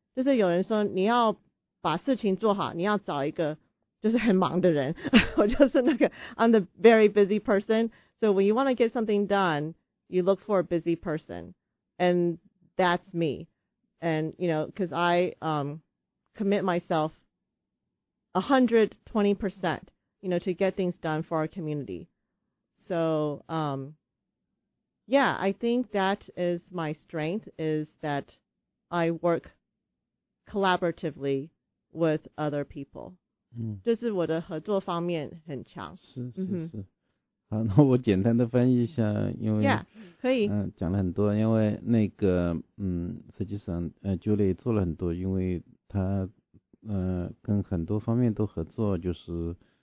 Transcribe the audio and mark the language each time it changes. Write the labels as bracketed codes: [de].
[zh] 就是有人说你要把事情做好，你要找一个就是很忙的人。我就是那个 [en] I'm the very busy person。 So when you want to get something done, you look for a busy person, and that's me. And you know, because I commit myself 120%, you know, to get things done for our community. So, yeah, I think that is my strength, is that I work collaboratively with other people. [zh] 就是我的合作方面很强。是是是。好，那我简单的翻译一下，因为 yeah, 可以。讲了很多，因为那个实际上Julie 做了很多，因为他跟很多方面都合作，就是。